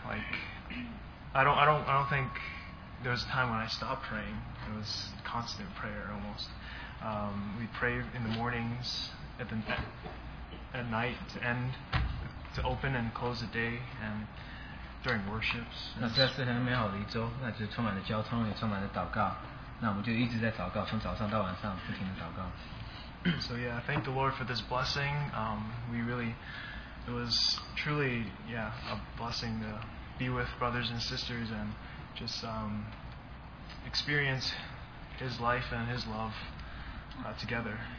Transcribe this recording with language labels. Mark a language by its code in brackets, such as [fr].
[en] Like, I don't think there was a time when I stopped praying. It was constant prayer almost. We pray in the mornings, at night to end, to open and close the day, and during worships. [zh] 那这是很美好的一周，那就是充满了交通，也充满了祷告。那我们就一直在祷告，从早上到晚上不停的祷告。 [en] So yeah, I thank the Lord for this blessing. We really, it was truly, yeah, a blessing to be with brothers and sisters and just experience His life and His love together.